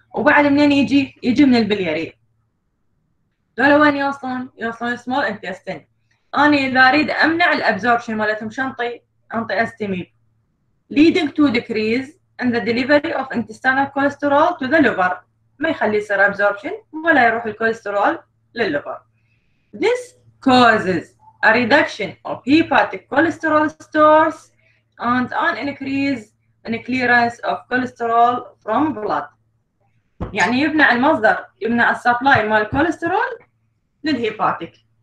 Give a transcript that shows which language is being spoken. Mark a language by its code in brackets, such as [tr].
[ar] وبعد منين يجي من البلياري. دول وين يوصلون small intestine. أنا إذا أريد أمنع الأبزوربشن مالتهم شنطي أنطي أستيميب [en] leading to decrease in the delivery of intestinal cholesterol to the liver. [ar] ما يخلي يصير أبزوربشن ولا يروح الكوليسترول للليفر. [en] This causes a reduction of hepatic cholesterol stores and an increase in clearance of cholesterol from blood. [ar] يعني يمنع المصدر يمنع السبلاي مال الكوليسترول للهيباتيك.